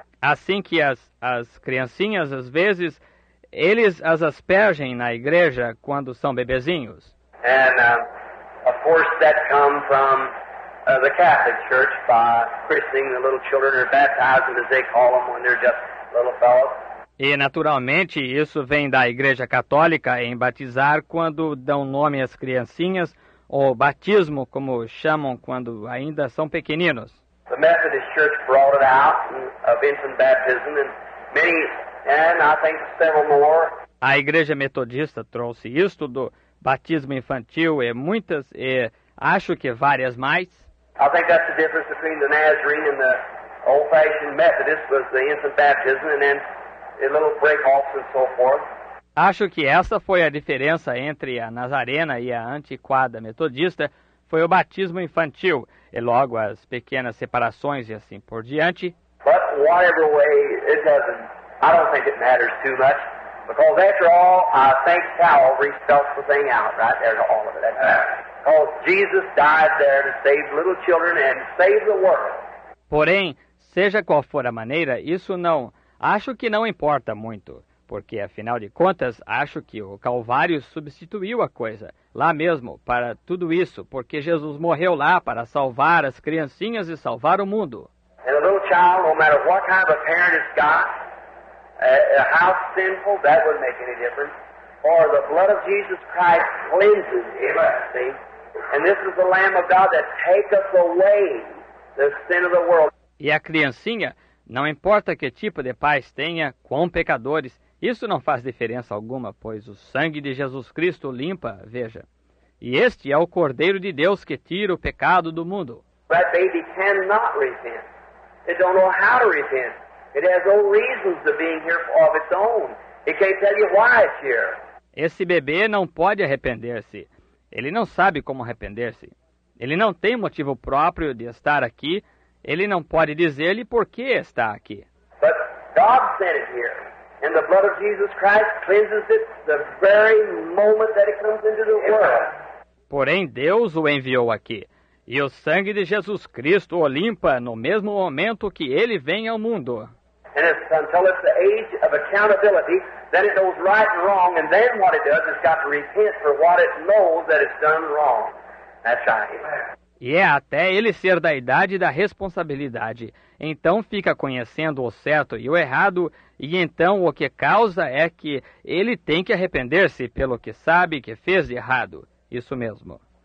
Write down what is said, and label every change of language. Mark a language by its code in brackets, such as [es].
[pt] Assim que as criancinhas, às vezes, eles as aspergem na igreja quando são bebezinhos. [en] And, of course, that comes from the Catholic Church by christening the little children or baptizing them, as they call them, when they're just little fellows. [pt] E, naturalmente, isso vem da Igreja Católica em batizar quando dão nome às criancinhas, ou batismo, como chamam quando ainda são pequeninos. [en] The Methodist Church brought it out of infant baptism, and many, and I think several more. [pt] A Igreja Metodista trouxe isto do batismo infantil e muitas, e acho que várias mais. [en] I think that's the difference between the Nazarene and the old-fashioned Methodist was the infant baptism, and then a little break-offs and so forth. [pt] Acho que essa foi a diferença entre a Nazarena e a antiquada metodista, foi o batismo infantil, e logo as pequenas separações e assim por diante. [en] But whatever way, it doesn't, I don't think it matters too much, because after all, I think Calvary spells the thing out right there to all of it. Because Jesus died there to save little children and save the world. [pt] Porém, seja qual for a maneira, isso não, acho que não importa muito. Porque, afinal de contas, acho que o Calvário substituiu a coisa, lá mesmo, para tudo isso, porque Jesus morreu lá para salvar as criancinhas e salvar o mundo. E um pequeno filho, [en] no matter what kind of parent it's got, how sinful, that wouldn't make any difference. For the blood of Jesus Christ cleanses him, see? And this is the Lamb of God that taketh away the sin of the world. [pt] E a criancinha, não importa que tipo de pais tenha, quão pecadores, isso não faz diferença alguma, pois o sangue de Jesus Cristo limpa, veja. E este é o Cordeiro de Deus que tira o pecado do mundo. [en] That baby cannot repent. It don't know how to repent. It has no reasons to being here of its own. It can't tell you why it's here. [pt] Esse bebê não pode arrepender-se. Ele não sabe como arrepender-se. Ele não tem motivo próprio de estar aqui. Ele não pode dizer-lhe por que está aqui. [en] But God sent it here. And the blood of Jesus Christ cleanses it the very moment that it comes into the world. [pt] Porém, Deus o enviou aqui. E o sangue de Jesus Cristo o limpa no mesmo momento que ele vem ao mundo. [en] And it's until it's the age of accountability, then it knows right and wrong, and then what it does is got to repent for what it knows that it's done wrong. That's right. [pt] E é até ele ser da idade da responsabilidade. Então fica conhecendo o certo e o errado, e então o que causa é que ele tem que arrepender-se pelo que sabe que fez de errado. Isso mesmo.